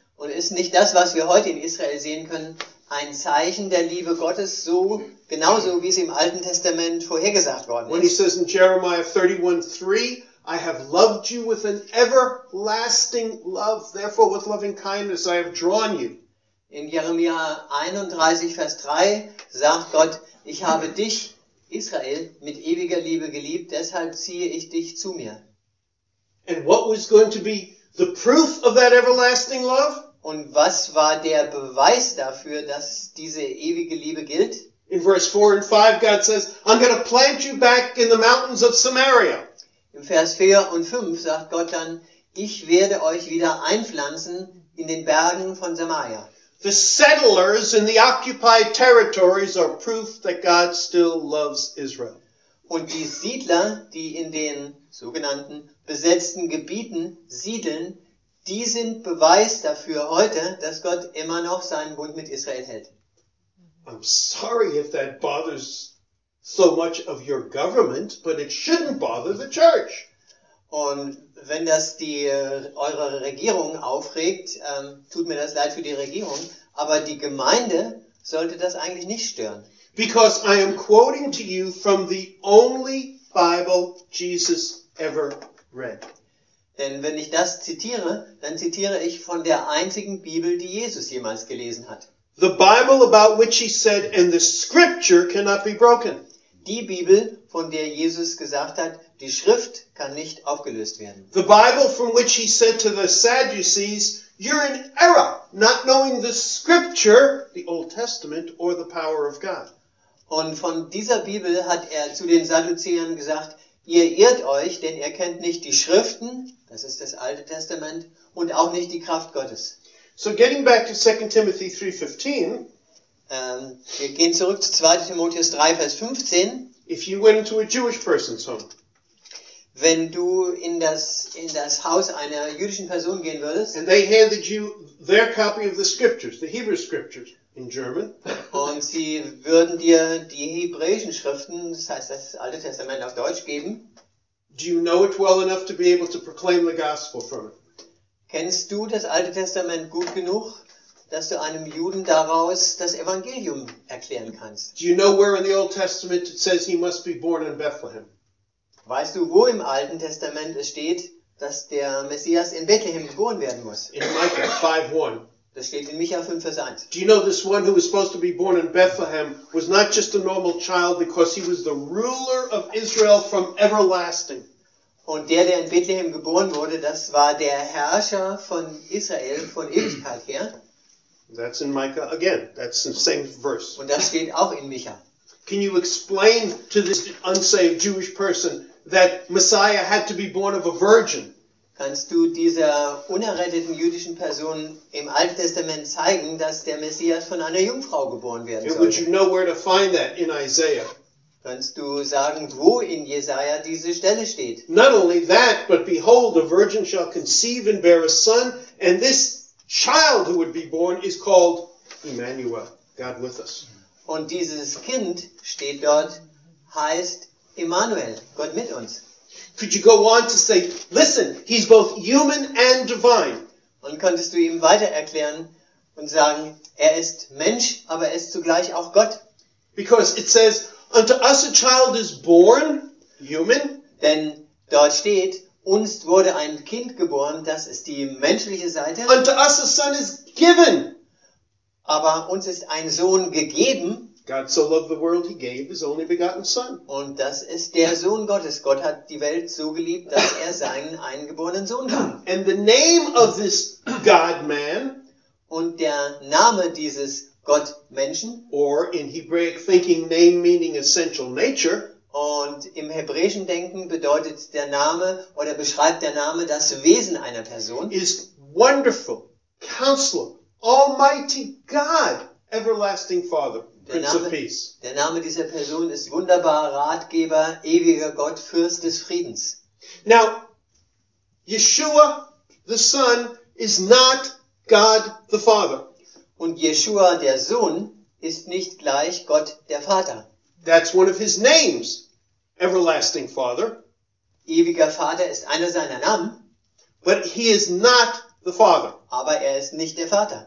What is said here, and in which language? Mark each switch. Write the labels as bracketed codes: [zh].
[de] Und ist nicht das, was wir heute in Israel sehen können, ein Zeichen der Liebe Gottes, so genauso wie es im Alten Testament vorhergesagt worden ist? [en] When he says in Jeremiah 31:3, I have loved you with an everlasting love, therefore with loving kindness I have drawn you. [de] In Jeremia 31, Vers 3 sagt Gott, ich habe dich, Israel, mit ewiger Liebe geliebt, deshalb ziehe ich dich zu mir. [en] And what was going to be the proof of that everlasting love? [de] Und was war der Beweis dafür, dass diese ewige Liebe gilt? In Vers 4 und 5, [en] God says, I'm going to plant you back in the mountains of Samaria. [de] Im Vers 4 und 5 sagt Gott dann, ich werde euch wieder einpflanzen in den Bergen von Samaria. [en] The settlers in the occupied territories are proof that God still loves Israel. [de] Und die Siedler, die in den sogenannten besetzten Gebieten siedeln, die sind Beweis dafür heute, dass Gott immer noch seinen Bund mit Israel hält. [en] I'm sorry if that bothers so much of your government, but it shouldn't bother the church. [de] Und wenn das die eure Regierung aufregt, tut mir das leid für die Regierung, aber die Gemeinde sollte das eigentlich nicht stören. [en] Because I am quoting to you from the only Bible Jesus ever read. [de] Denn wenn ich das zitiere, dann zitiere ich von der einzigen Bibel, die Jesus jemals gelesen hat. [en] The Bible about which he said, and the scripture cannot be broken. [de] Die Bibel, von der Jesus gesagt hat, die Schrift kann nicht aufgelöst werden. [en] The Bible from which he said to the Sadducees, you're in error, not knowing the scripture, the Old Testament, or the power of God. [de] Und von dieser Bibel hat er zu den Sadduzäern gesagt, ihr irrt euch, denn ihr kennt nicht die Schriften, das ist das Alte Testament, und auch nicht die Kraft Gottes. [en] So getting back to 2 Timothy 3:15, [de] wir gehen zurück zu 2. Timotheus 3, Vers 15. [en] If you went into a Jewish person's home, [de] wenn du in das Haus einer jüdischen Person gehen würdest, [en] and they handed you their copy of the scriptures, the Hebrew scriptures in German, [de] und sie würden dir die hebräischen Schriften, das heißt das Alte Testament auf Deutsch, geben, [en] do you know it well enough to be able to proclaim the gospel from it? [de] Kennst du das Alte Testament gut genug, dass du einem Juden daraus das Evangelium erklären kannst? [en] Do you know where in the Old Testament it says he must be born in Bethlehem? [de] Weißt du, wo im Alten Testament es steht, dass der Messias in Bethlehem geboren werden muss? [en] In Micah 5:1. [de] Das steht in Micha 5, Vers 1. [en] Do you know this one who was supposed to be born in Bethlehem was not just a normal child because he was the ruler of Israel from everlasting? [de] Und der in Bethlehem geboren wurde, das war der Herrscher von Israel von Ewigkeit her. [en] That's in Micah again. That's the same verse. [de] Und das steht auch in Micha. [en] Can you explain to this unsaved Jewish person that Messiah had to be born of a virgin? [de] Kannst du dieser unerretteten jüdischen Person im Alten Testament zeigen, dass der Messias von einer Jungfrau geboren werden sollte? [en] And would you know where to find that in Isaiah? [de] Kannst du sagen, wo in Jesaja diese Stelle steht? [en] Not only that, but behold, a virgin shall conceive and bear a son, and this child who would be born is called Emmanuel, God with us. [de] Und dieses Kind steht dort, heißt Emmanuel, Gott mit uns. [en] Could you go on to say, listen, he's both human and divine. [de] Und könntest du ihm weiter erklären und sagen, er ist Mensch, aber er ist zugleich auch Gott. [en] Because it says, unto us a child is born, human. [de] Denn dort steht, uns wurde ein Kind geboren, das ist die menschliche Seite. [en] Unto us a son is given. [de] Aber uns ist ein Sohn gegeben. [en] God so loved the world, he gave his only begotten son. [de] Und das ist der Sohn Gottes. Gott hat die Welt so geliebt, dass er seinen eingeborenen Sohn gab. [en] And the name of this God-man, [de] und der Name dieses Gott Menschen. [en] Or in Hebraic thinking, name meaning essential nature. [de] Und im hebräischen Denken bedeutet der Name oder beschreibt der Name das Wesen einer Person. [en] Is wonderful, counselor, almighty God, everlasting Father, Prince of Peace. [de] Der Name dieser Person ist wunderbar, Ratgeber, ewiger Gott, Fürst des Friedens. [en] Now, Yeshua, the Son, is not God the Father. [de] Und Yeshua, der Sohn, ist nicht gleich Gott der Vater. [en] That's one of his names, Everlasting Father. [de] Ewiger Vater ist einer seiner Namen. [en] But he is not the Father. [de] Aber er ist nicht der Vater.